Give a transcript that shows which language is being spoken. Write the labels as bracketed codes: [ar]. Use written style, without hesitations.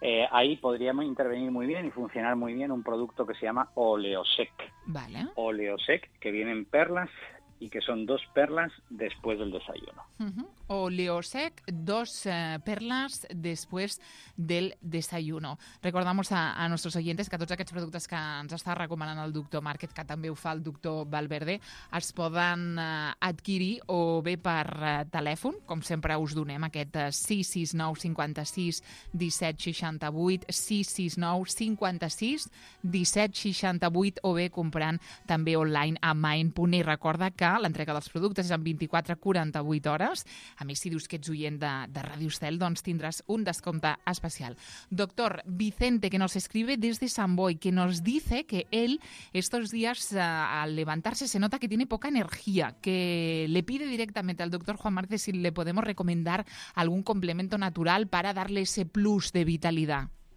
[es] Ahí podríamos intervenir muy bien y funcionar muy bien un producto que se llama Oleosec. Vale. Oleosec, que vienen perlas y que son 2 perlas después del desayuno. Uh-huh. Oleosec, 2 perlas después del desayuno. Recordamos a nuestros oyentes que todos [ca] aquests productes que ens està recomanant el doctor Márquez, que també ho fa el doctor Valverde, es poden adquirir o bé per telèfon, com sempre us donem, aquest 669-56-1768, 669-56-1768, o bé comprant també online a main.com. I recorda que l'entrega dels productes és en 24-48 hores. A més, si dius que ets oient de Ràdio Estel, doncs tindràs un descompte especial. [es] Doctor Vicente, que nos escribe desde Sant Boi, que nos dice que él estos días al levantarse se nota que tiene poca energía, que le pide directamente al doctor Juan Márquez si le podemos recomendar algún complemento natural para darle ese plus de vitalidad.